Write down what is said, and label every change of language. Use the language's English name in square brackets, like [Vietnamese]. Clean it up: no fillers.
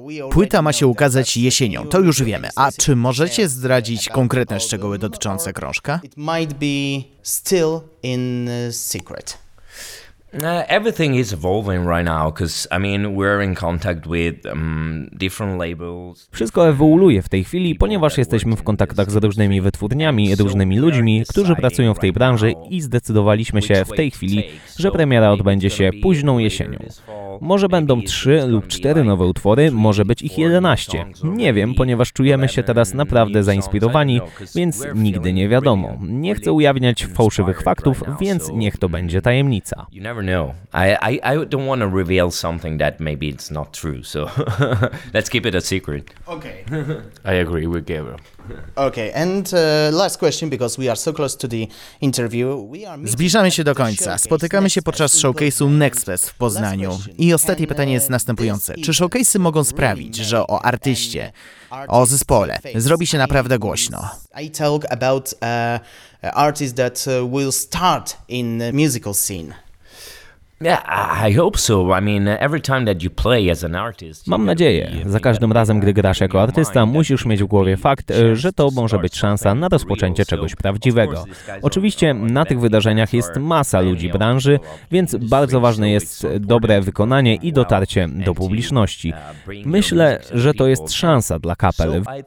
[Polish] Płyta ma się ukazać jesienią, to już wiemy. A czy możecie zdradzić konkretne szczegóły dotyczące krążka? [English] It might be still in secret. Everything is evolving right now, because I mean we're in contact with different labels. [Polish] Wszystko ewoluuje w tej chwili, ponieważ jesteśmy w kontaktach z różnymi wytwórniami, różnymi ludźmi, którzy pracują w tej branży i zdecydowaliśmy się w tej chwili, że premiera odbędzie się późną jesienią. Może będą 3 lub 4 nowe utwory, może być ich 11. Nie wiem, ponieważ czujemy się teraz naprawdę zainspirowani, więc nigdy nie wiadomo. Nie chcę ujawniać fałszywych faktów, więc niech to będzie tajemnica. [English] Never know. I don't want to reveal something that maybe it's not true. So let's keep it a secret. Okay. I agree with Gabriel. Okay. And last question, because we are so close to the interview. [Polish] Zbliżamy się do końca. Spotykamy się podczas showcase'u Nextfest w Poznaniu. I ostatnie pytanie jest następujące. Czy showcase'y mogą sprawić, że o artyście, o zespole zrobi się naprawdę głośno? [English] I talk about artists that will start in the musical scene. Yeah, I hope so. I mean, every time that you play as an artist. [Polish] Mam nadzieję. Za każdym razem, gdy grasz jako artysta, musisz mieć w głowie fakt, że to może być szansa na rozpoczęcie czegoś prawdziwego. Oczywiście na tych wydarzeniach jest masa ludzi branży, więc bardzo ważne jest dobre wykonanie i dotarcie do publiczności. Myślę, że to jest szansa dla kapel.